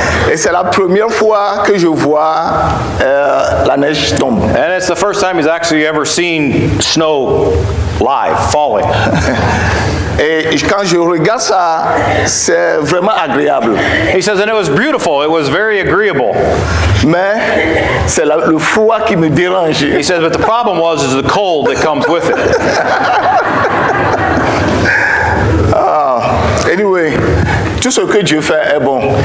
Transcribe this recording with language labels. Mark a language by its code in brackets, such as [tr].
[fr] Et c'est la première fois que je vois la neige tombe. [en] And it's the first time he's actually ever seen snow live falling. [fr] Et quand je regarde ça, c'est vraiment agréable. [en] He says, and it was beautiful. It was very agreeable. [fr] Mais c'est le froid qui me dérange. [en] He says, but the problem was is the cold that comes with it. [fr] Anyway, tout ce que Dieu fait est bon.